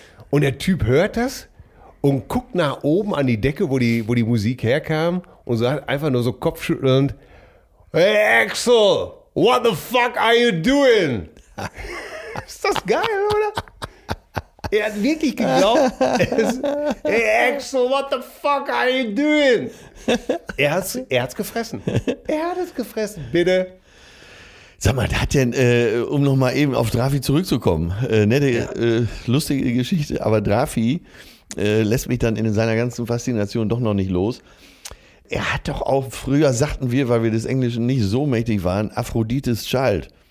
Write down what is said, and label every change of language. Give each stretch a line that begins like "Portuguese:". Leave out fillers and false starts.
German: Und der Typ hört das und guckt nach oben an die Decke, wo die Musik herkam, und sagt einfach nur so kopfschüttelnd:
English: Hey Axel, what the fuck are you doing?
German: Ist das geil, oder? Er hat wirklich geglaubt.
English: Hey Axel, what the fuck are you doing?
German: Er hat's gefressen. Er hat es gefressen, bitte. Sag mal, hat denn, um nochmal eben auf Drafi zurückzukommen, lustige Geschichte, aber Drafi lässt mich dann in seiner ganzen Faszination doch noch nicht los. Er hat doch auch, früher sagten wir, weil wir des Englischen nicht so mächtig waren, Aphrodite's Child.